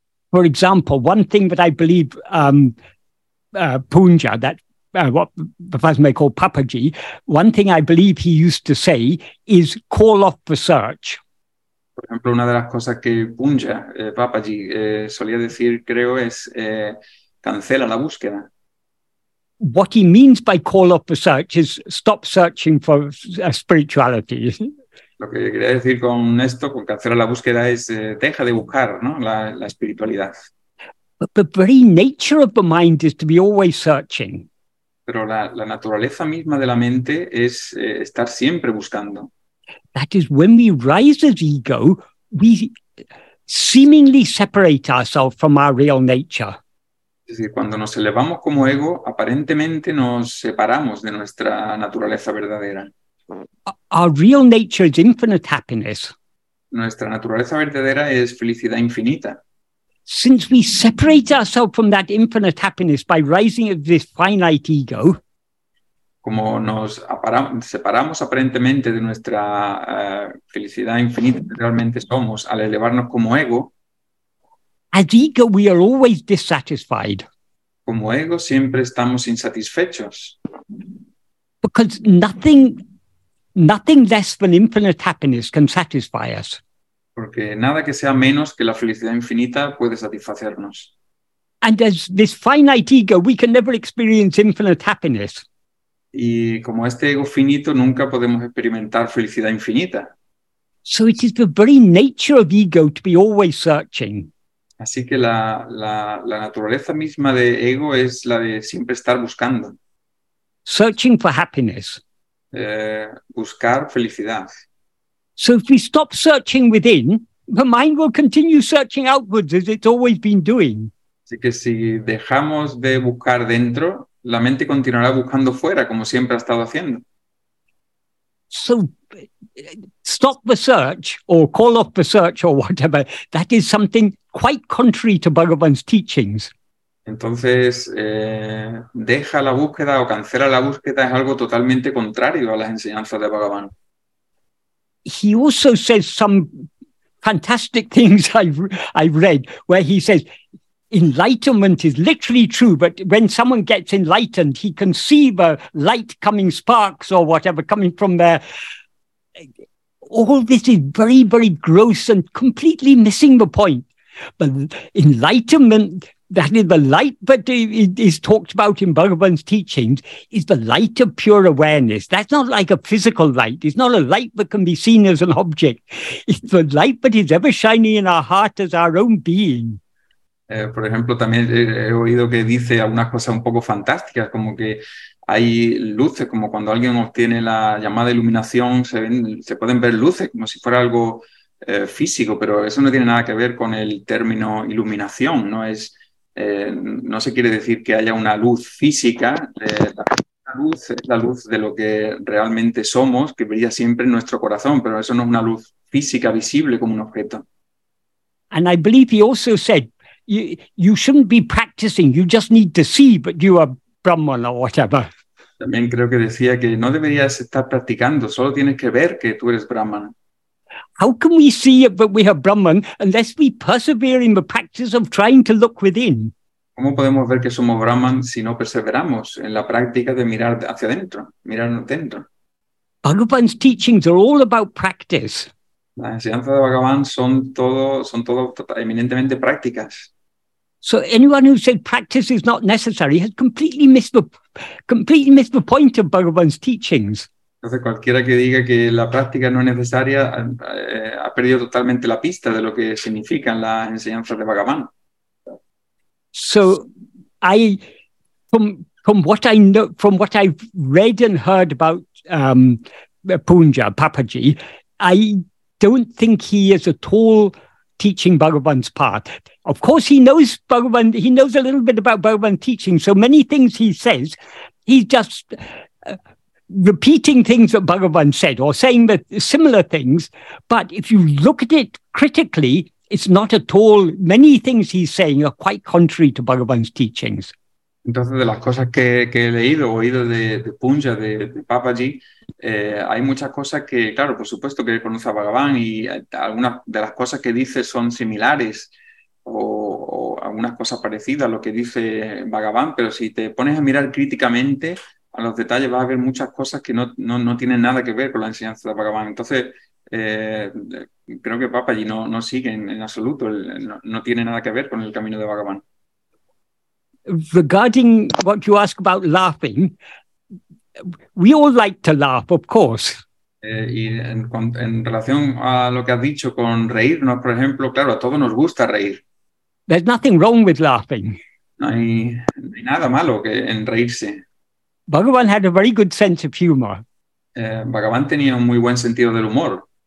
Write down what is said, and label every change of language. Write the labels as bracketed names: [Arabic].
[English] for example, one thing that I believe Punja, that what the person may call Papaji, one thing I believe he used to say is call off the search. [Spanish] Por ejemplo, una de las cosas que Punja, Papaji, solía decir, creo, es cancela la búsqueda. [English] What he means by call off the search is stop searching for spirituality. [Spanish] Lo que quería decir con esto, con cancelar la búsqueda, es deja de buscar, ¿no? la espiritualidad. [English] But the very nature of the mind is to be always searching. [Spanish] Pero la naturaleza misma de la mente es estar siempre buscando. [English] That is, when we rise as ego, we seemingly separate ourselves from our real nature. [Spanish] Es decir, cuando nos elevamos como ego, aparentemente nos separamos de nuestra naturaleza verdadera. [English] Our real nature is infinite happiness. [Spanish] Nuestra naturaleza verdadera es felicidad infinita. [English] Since we separate ourselves from that infinite happiness by rising of this finite ego, [Spanish] como nos separamos aparentemente de nuestra felicidad infinita que realmente somos al elevarnos como ego, [English] as ego we are always dissatisfied. [Spanish] Como ego siempre estamos insatisfechos. [English] Because nothing less than infinite happiness can satisfy us. [Spanish] Porque nada que sea menos que la felicidad infinita puede satisfacernos. [English] And as this finite ego, we can never experience infinite happiness. [Spanish] Y como este ego finito, nunca podemos experimentar felicidad infinita. [English] So it is the very nature of ego to be always searching. [Spanish] Así que la naturaleza misma de ego es la de siempre estar buscando. [English] Searching for happiness. [Spanish] Buscar felicidad. [English] So if we stop searching within, the mind will continue searching outwards as it's always been doing. [Spanish] Así que si dejamos de buscar dentro, la mente continuará buscando fuera, como siempre ha estado haciendo. [English] So stop the search or call off the search or whatever, that is something quite contrary to Bhagavan's teachings. [Spanish] Entonces, deja la búsqueda o cancela la búsqueda es algo totalmente contrario a las enseñanzas de Bhagavan. [English] He also says some fantastic things I've read, where he says enlightenment is literally true, but when someone gets enlightened, he can see the light coming, sparks or whatever, coming from there. All this is very, very gross and completely missing the point. But enlightenment, that is the light that is talked about in Bhagavan's teachings, is the light of pure awareness. That's not like a physical light. It's not a light that can be seen as an object. It's the light that is ever shining in our heart as our own being. [Spanish] Por ejemplo, también he oído que dice algunas cosas un poco fantásticas, como que hay luces, como cuando alguien obtiene la llamada iluminación, se pueden ver luces como si fuera algo físico, pero eso no tiene nada que ver con el término iluminación, ¿no? No se quiere decir que haya una luz física, la luz es la luz de lo que realmente somos, que brilla siempre en nuestro corazón, pero eso no es una luz física visible como un objeto. [English] And I believe he also said, you shouldn't be practicing, you just need to see, but you are Brahman or whatever. [Spanish] También creo que decía que no deberías estar practicando, solo tienes que ver que tú eres Brahman. [English] How can we see that we are Brahman unless we persevere in the practice of trying to look within? [Spanish] ¿Cómo podemos ver que somos Brahman si no perseveramos en la práctica de mirar hacia adentro, mirarnos dentro? [English] Bhagavan's teachings are all about practice. [Spanish] Las enseñanzas de Bhagavan son todo eminentemente prácticas. [English] So anyone who said practice is not necessary has completely missed the point of Bhagavan's teachings. [Spanish] Entonces cualquiera que diga que la práctica no es necesaria ha perdido totalmente la pista de lo que significan las enseñanzas de Bhagavan. [English] So I from what I've read and heard about Punja Papaji, I don't think he is at all teaching Bhagavan's path. Of course he knows Bhagavan, he knows a little bit about Bhagavan's teaching, so many things he says, he's just repeating things that Bhagavan said or saying that similar things, but if you look at it critically, it's not at all, many things he's saying are quite contrary to Bhagavan's teachings. [Spanish] Entonces, de las cosas que he leído o oído de Punja, de Papaji, hay muchas cosas que, claro, por supuesto que conoce a Bhagavan y algunas de las cosas que dice son similares o algunas cosas parecidas a lo que dice Bhagavan, pero si te pones a mirar críticamente a los detalles vas a ver muchas cosas que no tienen nada que ver con la enseñanza de Bhagavan. Entonces, creo que Papaji no sigue en absoluto, no tiene nada que ver con el camino de Bhagavan. [English] Regarding what you ask about laughing, we all like to laugh, of course. [Spanish] Y en relación a lo que has dicho con reírnos, por ejemplo, claro, a todos nos gusta reír. [English] There's nothing wrong with laughing. [Spanish] No hay nada malo que en reírse. [English] Bhagavan had a very good sense of humor. [Spanish] Bhagavan tenía un muy buen sentido del humor.